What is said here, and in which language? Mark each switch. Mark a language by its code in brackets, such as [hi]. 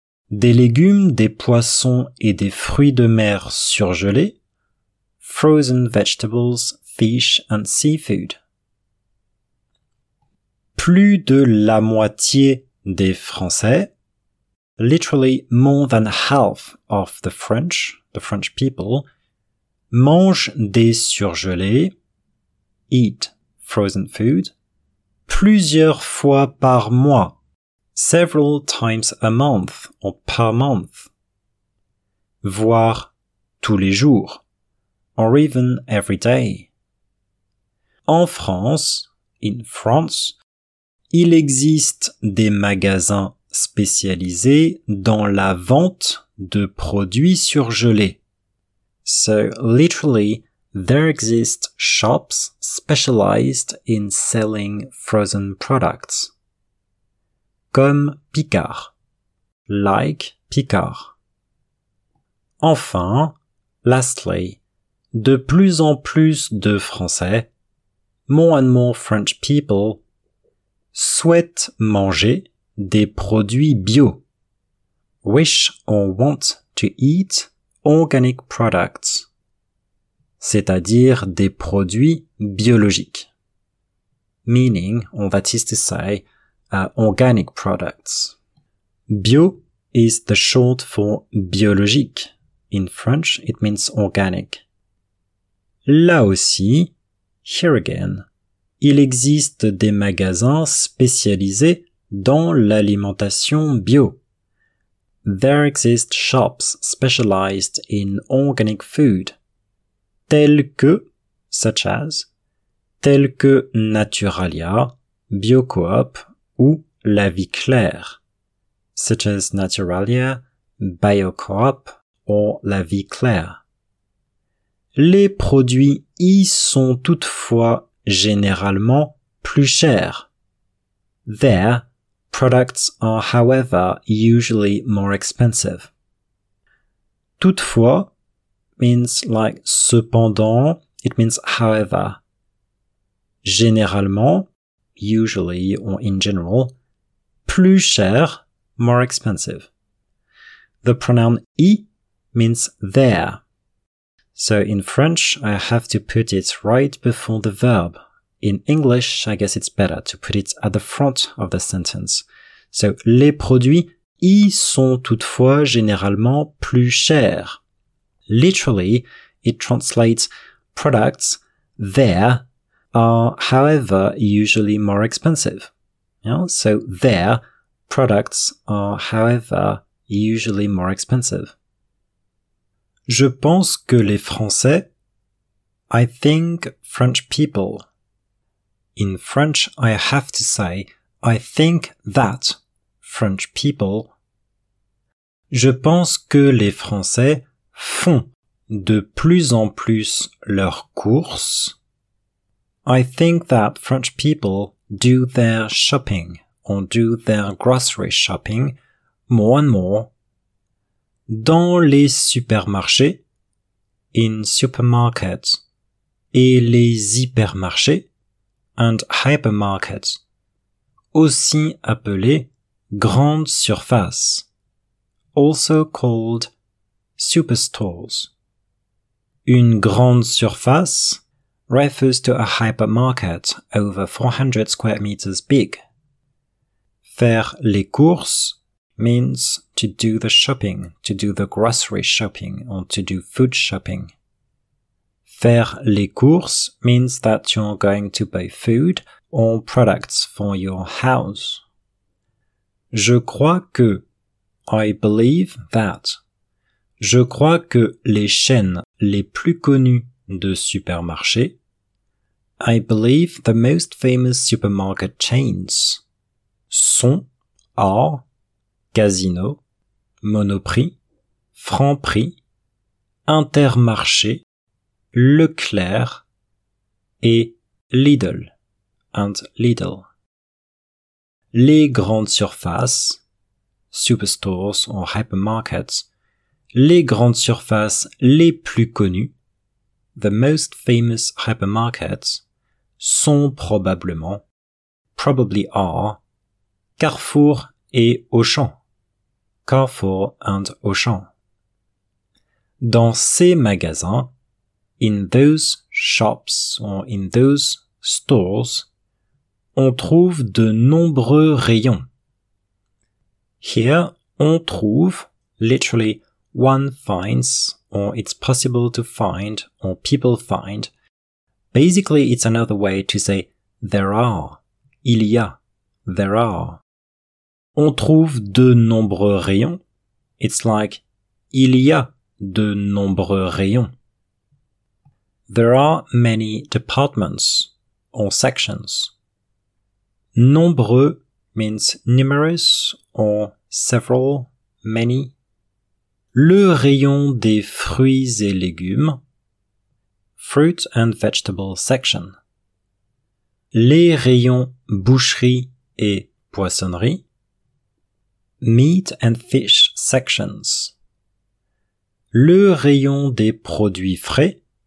[fr] Des légumes, des poissons et des fruits de mer surgelés, [en] frozen vegetables, fish and seafood. [fr] Plus de la moitié des Français, [en] literally more than half of the French people, [fr] mangent des surgelés, [en] eat frozen food, [fr] plusieurs fois par mois, [en] several times a month or per month, [fr] voire tous les jours, [en] or even every day. [fr] En France, [en] in France, [fr] il existe des magasins spécialisés dans la vente de produits surgelés. [en] So, literally, there exist shops specialized in selling frozen products. [fr] Comme Picard. [en] Like Picard. [fr] Enfin, lastly, de plus en plus de Français, [en] more and more French people, [fr] souhaite manger des produits bio. [en] Wish or want to eat organic products. [fr] C'est-à-dire des produits biologiques. [en] Meaning, or that is to say, organic products. [fr] Bio [en] is the short for biologique. In French, it means organic. [fr] Là aussi, [en] here again, [fr] il existe des magasins spécialisés dans l'alimentation bio. [en] There exist shops specialized in organic food, [fr] tels que, [en] such as, tels que Naturalia, BioCoop ou La Vie Claire, such as Naturalia, BioCoop ou La Vie Claire. [fr] Les produits y sont toutefois généralement plus chers. [en] There, products are however usually more expensive. Toutefois means like cependant, it means however. Généralement, usually or in general, [fr] plus cher, [en] more expensive. The pronoun y means there. So in French, I have to put it right before the verb. In English, I guess it's better to put it at the front of the sentence. [fr] So, les produits y sont toutefois généralement plus chers. [en] Literally, it translates products there are, however, usually more expensive. Yeah? So, there, products are, however, usually more expensive. [fr] Je pense que les Français, [en] I think French people. In French, I have to say, I think that French people. [fr] Je pense que les Français font de plus en plus leurs courses. [en] I think that French people do their shopping or do their grocery shopping more and more. [fr] Dans les supermarchés, [en] in supermarkets, [fr] et les hypermarchés, [en] and hypermarkets, [fr] aussi appelés grandes surfaces, [en] also called superstores. [fr] Une grande surface [en] refers to a hypermarket over 400 square meters big. [fr] Faire les courses [en] means to do the shopping, to do the grocery shopping, or to do food shopping. [fr] Faire les courses [en] means that you're going to buy food or products for your house. [fr] Je crois que, [en] I believe that. [fr] Je crois que les chaînes les plus connues de supermarchés, [en] I believe the most famous supermarket chains, [fr] sont, are, Casino, Monoprix, Franprix, Intermarché, Leclerc et Lidl [en] and Lidl. [fr] Les grandes surfaces, [en] superstores or hypermarkets, [fr] les grandes surfaces les plus connues, [en] the most famous hypermarkets, [fr] sont probablement, [en] probably are, [fr] Carrefour et Auchan. [en] Carrefour and Auchan. [fr] Dans ces magasins, [en] in those shops or in those stores, [fr] on trouve de nombreux rayons. [en] Here, [fr] on trouve, [en] literally, one finds, or it's possible to find, or people find. Basically, it's another way to say there are, [fr] il y a, [en] there are. [fr] On trouve de nombreux rayons. [en] It's like, [fr] il y a de nombreux rayons. [en] There are many departments or sections. Nombreux means numerous or several, many. [fr] Le rayon des fruits et légumes. [en] Fruit and vegetable section. [fr] Les rayons boucherie et poissonnerie. [en] Meat and fish sections. [fr] Le rayon des produits frais.